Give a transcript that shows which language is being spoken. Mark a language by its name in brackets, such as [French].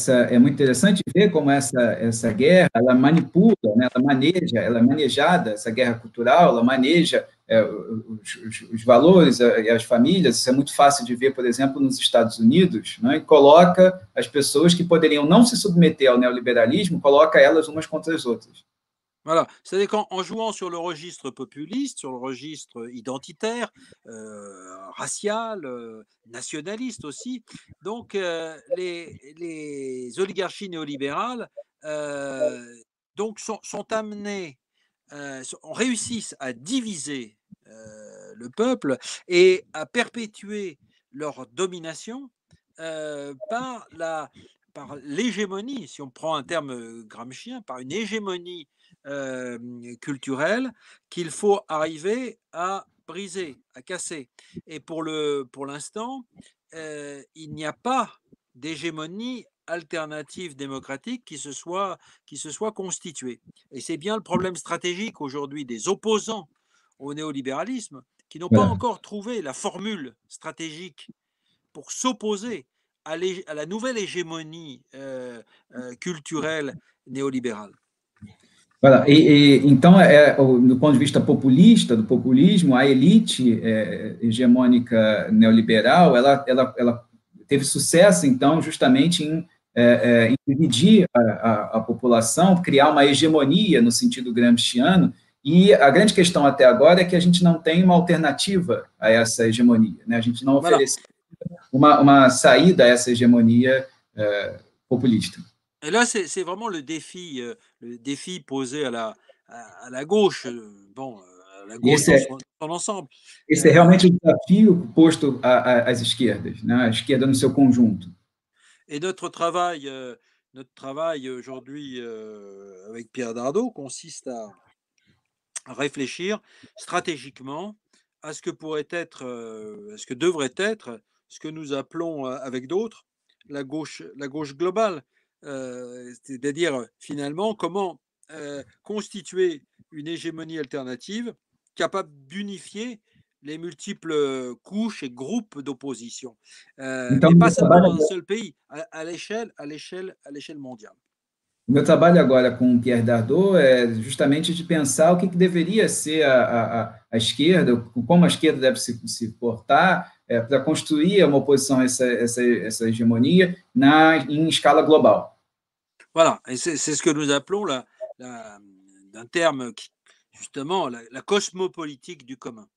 [Portuguese] É muito interessante ver como essa guerra, ela manipula, né? ela é manejada, essa guerra cultural, ela maneja os valores e as famílias. Isso é muito fácil de ver, por exemplo, nos Estados Unidos, né? E coloca as pessoas que poderiam não se submeter ao neoliberalismo, coloca elas umas contra as outras. [French] Voilà, c'est-à-dire qu'en jouant sur le registre populiste, sur le registre identitaire, racial, nationaliste aussi, donc les oligarchies néolibérales donc sont amenées, réussissent à diviser le peuple et à perpétuer leur domination par l'hégémonie, si on prend un terme gramscien, par une hégémonie culturelle qu'il faut arriver à briser, à casser. Et pour l'instant, il n'y a pas d'hégémonie alternative démocratique qui se soit constituée. Et c'est bien le problème stratégique aujourd'hui des opposants au néolibéralisme qui n'ont pas encore trouvé la formule stratégique pour s'opposer à la nouvelle hégémonie culturelle néolibérale. Voilà. [Portuguese] Então, do ponto de vista populista, do populismo, a elite hegemônica neoliberal, ela teve sucesso, então, justamente em dividir a população, criar uma hegemonia no sentido gramsciano, e a grande questão até agora é que a gente não tem uma alternativa a essa hegemonia, né? A gente não oferece uma saída a essa hegemonia populista. [French] Et là, c'est vraiment le défi posé à la gauche, bon, à la gauche dans son ensemble. Et c'est vraiment le défi posé aux esquerdes, à l'esquerde dans son conjoint. Et notre travail aujourd'hui avec Pierre Dardot consiste à réfléchir stratégiquement à ce que pourrait être, à ce que devrait être, ce que nous appelons avec d'autres, la gauche globale. C'est-à-dire, finalement, comment constituer une hégémonie alternative capable d'unifier les multiples couches et groupes d'opposition. Mais pas seulement dans un seul pays, à l'échelle mondiale. [Portuguese] Meu trabalho agora com o Pierre Dardot é justamente de pensar o que deveria ser a esquerda, como a esquerda deve se portar para construir uma oposição a essa hegemonia em escala global. [French] Voilà, et c'est ce que nous appelons d'un terme qui, justement, la cosmopolitique du commun.